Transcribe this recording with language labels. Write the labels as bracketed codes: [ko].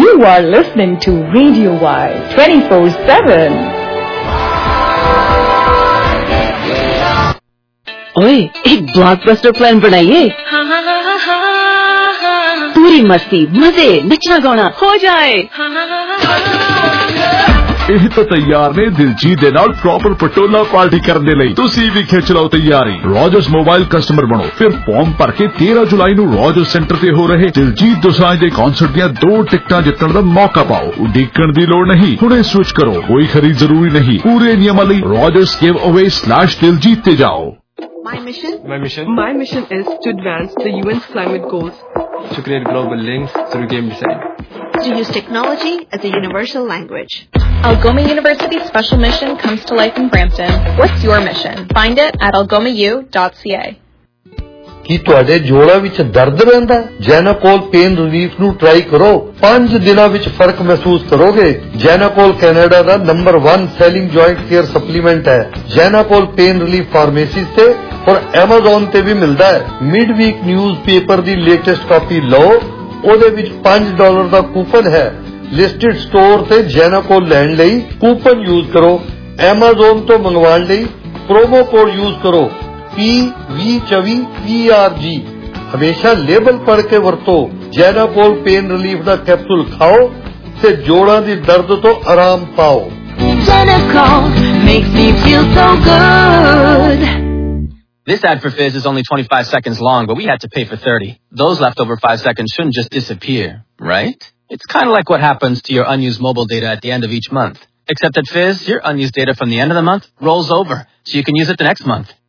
[en] You are listening to radio Y 24/7। [hi] ओए एक blockbuster plan बनाइए, पूरी मस्ती मजे नचना गाना हो जाए। [pa] ਇਹ ਤਾਂ ਤਿਆਰ ਨੇ ਦਿਲਜੀਤ ਦੇ ਨਾਲ ਪ੍ਰੋਪਰ ਪਟੋਲਾ ਪਾਰਟੀ ਕਰਨ ਦੇ ਲਈ, ਤੁਸੀਂ ਵੀ ਖਿੱਚ ਲਓ ਤਿਆਰੀ। ਰੋਜਸ ਮੋਬਾਈਲ ਕਸਟਮਰ ਬਣੋ ਫਿਰ ਫਾਰਮ ਭਰ ਕੇ 13 ਜੁਲਾਈ ਨੂੰ ਰੋਜਸ ਸੈਂਟਰ ਤੇ ਹੋ ਰਹੇ ਦਿਲਜੀਤ ਦੁਸਾਂਝ ਦੇ ਕਾਨਸਰਟ ਦੀਆਂ 2 ਟਿਕਟਾਂ ਜਿੱਤਣ ਦਾ ਮੌਕਾ ਪਾਓ। ਉਡੀਕਣ ਦੀ ਲੋੜ ਨਹੀਂ, ਹੁਣੇ ਸਵਿਚ ਕਰੋ, ਕੋਈ ਖਰੀਦ ਜ਼ਰੂਰੀ ਨਹੀਂ। ਪੂਰੇ ਨਿਯਮਾਂ ਲਈ ਰੋਜਸ ਗਿਵ ਅਵੇ / ਦਿਲਜੀਤ ਤੇ ਜਾਓ। [en] My mission is to advance the UN's climate goals, to create global links through game design, to use technology as a universal language. Algoma University's special mission comes to life in Brampton. What's your mission? Find it at algomau.ca. [pa] ਕੀ ਤੁਹਾਡੇ ਜੋੜਾਂ ਵਿੱਚ ਦਰਦ ਰਹਿੰਦਾ? ਜੈਨਾਕੋਲ pain relief ਨੂੰ try ਕਰੋ, 5 ਦਿਨਾਂ ਵਿੱਚ ਫਰਕ ਮਹਿਸੂਸ ਕਰੋਗੇ। ਜੈਨਾਕੋਲ ਕੈਨੇਡਾ ਦਾ number 1 selling joint care supplement ਹੈ। ਜੈਨਾਕੋਲ ਪੇਨ ਰਿਲੀਫ ਫਾਰਮੇਸੀ ਤੇ ਔਰ ਐਮਾਜ਼ਾਨ ਤੇ ਵੀ ਮਿਲਦਾ ਹੈ। ਮਿਡ ਵੀਕ ਨਿਊਜ਼ ਪੇਪਰ ਦੀ ਲੇਟੈਸਟ ਕਾਪੀ ਲਓ, ਉਹਦੇ ਵਿੱਚ $5 ਦਾ ਕੂਪਨ ਹੈ। ਲਿਸਟਿਡ ਸਟੋਰ ਤੇ ਜੈਨਾਕੋਲ ਲੈਣ ਲਈ ਕੂਪਨ ਯੂਜ਼ ਕਰੋ, ਐਮਾਜ਼ਾਨ ਤੋਂ ਮੰਗਵਾਉਣ ਲਈ ਪ੍ਰੋਮੋ ਕੋਡ ਯੂਜ਼ ਕਰੋ PV24PRG। ਹਮੇਸ਼ਾ ਲੇਬਲ ਪੜ੍ਹ ਕੇ ਵਰਤੋ। ਜੈਨਾਕੋਲ ਪੇਨ ਰਿਲੀਫ ਦਾ ਕੈਪਸੂਲ ਖਾਓ ਤੇ ਜੋੜਾਂ ਦੀ ਦਰਦ ਤੋਂ ਆਰਾਮ ਪਾਓ। [en] Genacol makes me feel so good. This ad for Fizz is only 25 seconds long, but we had to pay for 30. Those leftover 5 seconds shouldn't just disappear, right? It's kind of like what happens to your unused mobile data at the end of each month. Except at Fizz, your unused data from the end of the month rolls over, so you can use it the next month.